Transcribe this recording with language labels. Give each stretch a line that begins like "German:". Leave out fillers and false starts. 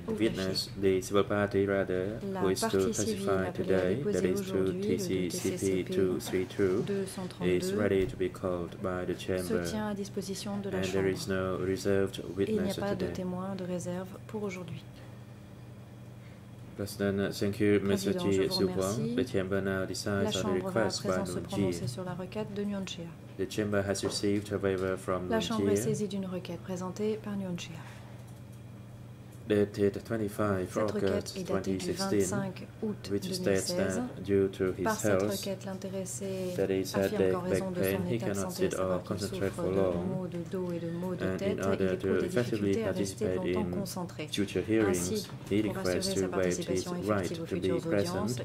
English: The witness, the civil party rather, who is to testify today, that is to TCCP 232, is ready to be called by the chamber. And there is no reserved witness today. President, thank you, Mr. Ji Zhuguang. The chamber now decides on the request by Nunji. The chamber has received a waiver from
French: Nunji. La chambre est saisie d'une requête présentée par Nunji.
English: Dated 25 August 2016, which states that due to his health, that is had a back pain, he cannot sit or concentrate for long, and in order to effectively participate in future hearings, he requests to waive his right to be present